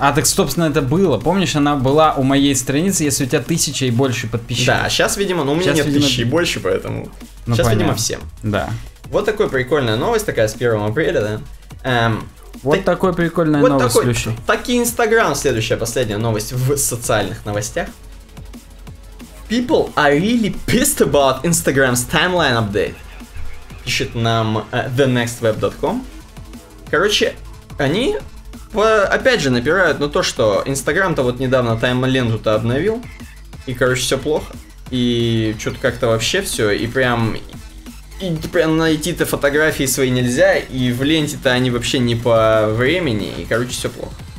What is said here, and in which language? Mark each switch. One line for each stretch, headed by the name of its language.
Russian: А так, собственно, это было. Помнишь, она была у моей страницы, если у тебя тысяча и больше подписчиков. Да, сейчас, видимо, ну у меня сейчас, нет, видимо, тысячи и больше, поэтому... Ну, сейчас, понятно. Видимо, всем. Да. Вот такая прикольная новость такая с 1 апреля, да? Вот такая прикольная вот новость, такой, Люша. Так и Инстаграм, следующая, последняя новость в социальных новостях.
English: People are really pissed about Instagram's timeline update.
Russian: Пишет нам thenextweb.com. Короче, они, опять же, напирают на то, что Инстаграм-то вот недавно таймленту-то обновил. И, короче, все плохо. И что-то как-то вообще все, и прям. И прям найти-то фотографии свои нельзя, и в ленте-то они вообще не по времени, и короче, все плохо.